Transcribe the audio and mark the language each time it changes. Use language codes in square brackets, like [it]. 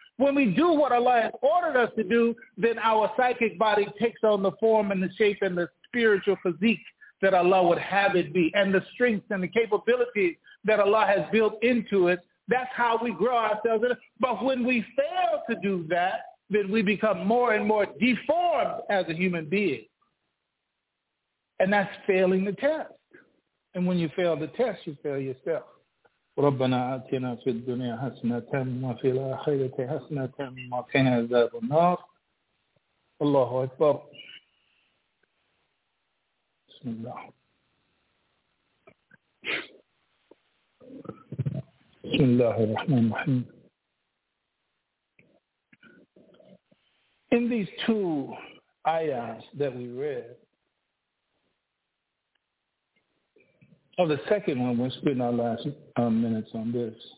[en] When we do what Allah has ordered us to do, then our psychic body takes on the form and the shape and the spiritual physique that Allah would have it be, and the strength and the capabilities that Allah has built into it. That's how we grow ourselves. But when we fail to do that, then we become more and more deformed as a human being. And that's failing the test. And when you fail the test, you fail yourself. [ar] ربنا آتنا في الدنيا حسنة وفي الآخرة حسنة وقنا عذاب النار الله أكبر بسم الله بسم الله الرحمن الرحيم. [en] In these two ayahs that we read, On the second one, we're spending our last minutes on this.